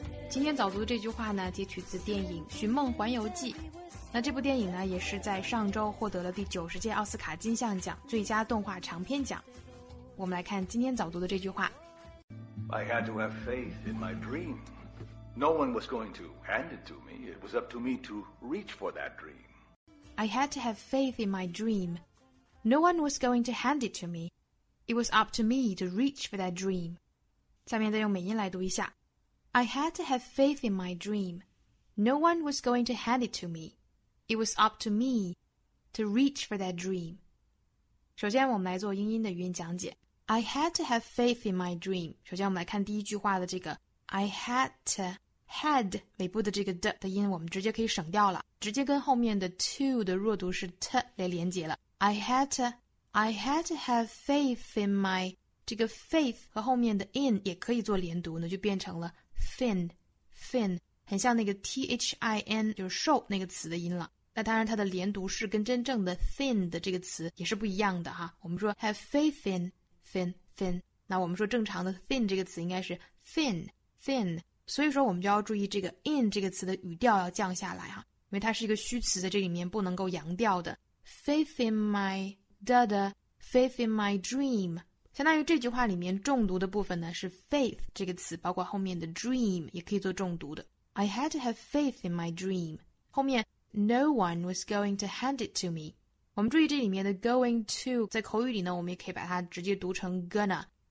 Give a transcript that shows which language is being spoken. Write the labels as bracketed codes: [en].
[zh] 今天早读的这句话呢，截取自电影《寻梦环游记》。那这部电影呢，也是在上周获得了第90届奥斯卡金像奖最佳动画长片奖。我们来看今天早读的这句话。 [en] I had to have faith in my dream. No one was going to hand it to me. It was up to me to reach for that dream. I had to have faith in my dream. No one was going to hand it to me. It was up to me to reach for that dream. [zh] 下面再用美音来读一下。 [en] I had to have faith in my dream. No one was going to hand it to me. It was up to me to reach for that dream. [zh] 首先我们来做英音的语音讲解。 [en] I had to have faith in my dream. [zh] 首先我们来看第一句话的这个 [en] I had to [zh] had 尾部的这个 d 的音我们直接可以省掉了，直接跟后面的 to 的弱读是 t 来连接了。 [en] I had to have faith in my [zh] 这个 faith 和后面的 in 也可以做连读呢，就变成了 fin 很像那个 thin 就是 show 那个词的音了。那当然它的连读是跟真正的 thin 的这个词也是不一样的哈。我们说 [en] have faith in [zh] thin 那我们说正常的 thin 这个词应该是 thin 所以说我们就要注意这个 in 这个词的语调要降下来哈，因为它是一个虚词，在这里面不能够扬调的。 [en] faith in my dada faith in my dream [zh] 相当于这句话里面重读的部分呢是 faith 这个词，包括后面的 dream 也可以做重读的。 [en] I had to have faith in my dream [zh] 后面 [en] no one was going to hand it to me， [zh] 我们注意这里面的 going to 在口语里呢，我们也可以把它直接读成 gonna。